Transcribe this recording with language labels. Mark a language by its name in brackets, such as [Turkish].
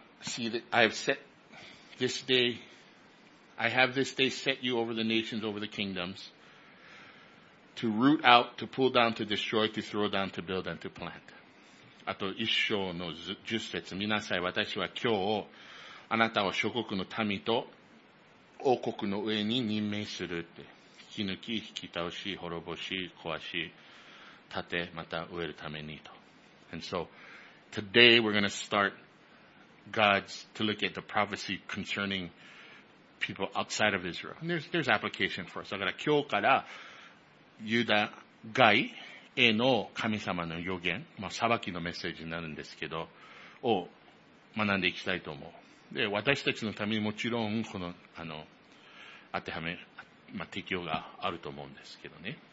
[English] See, I have set this day, I have this day set you over the nations, over the kingdoms, to root out, to pull down, to destroy, to throw down, to build, and to plant. [Japanese] あと一章の十節。見なさい、私は今日、あなたは諸国の民と王国の上に任命するって。引き抜き、引き倒し、滅ぼし、壊し、建て、また植えるためにと。 [English] And so, today we're going to start God's, to look at the prophecy concerning people outside of Israel. And there's application for us. [Japanese] だから今日からユダ外への神様の予言、まあ裁きのメッセージになるんですけど、を学んでいきたいと思う。で、私たちのためにもちろん、この、当てはめ、まあ、適用があると思うんですけどね。